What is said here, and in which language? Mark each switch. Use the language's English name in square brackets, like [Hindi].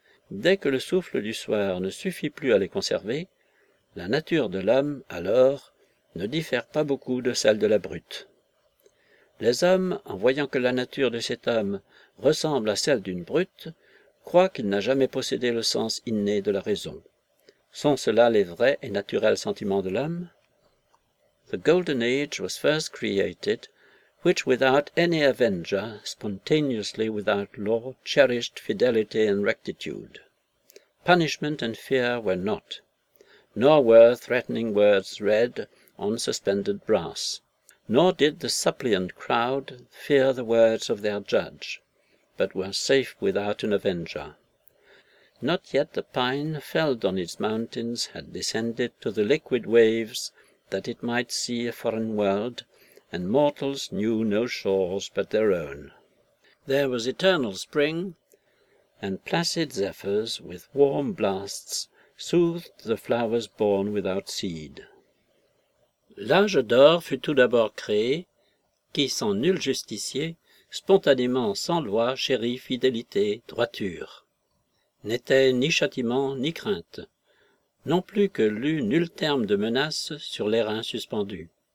[French] Dès que le souffle du soir ne suffit plus à les conserver, la nature de l'homme, alors, ne diffère pas beaucoup de celle de la brute. Les hommes, en voyant que la nature de cet homme ressemble à celle d'une brute, croient qu'il n'a jamais possédé le sens inné de la raison. Sont cela les vrais et naturels sentiments de l'homme? [English] The golden age was first created, which without any avenger, spontaneously without law, cherished fidelity and rectitude. Punishment and fear were not, nor were threatening words read on suspended brass. Nor did the suppliant crowd fear the words of their judge, but were safe without an avenger. Not yet the pine felled on its mountains had descended to the liquid waves, that it might see a foreign world, and mortals knew no shores but their own. There was eternal spring, and placid zephyrs with warm blasts soothed the flowers born without seed. [French] L'âge d'or fut tout d'abord créé, qui, sans nul justicier, spontanément, sans loi, chérit fidélité, droiture. N'était ni châtiment, ni crainte, non plus que l'eût nul terme de menace sur les reins suspendus.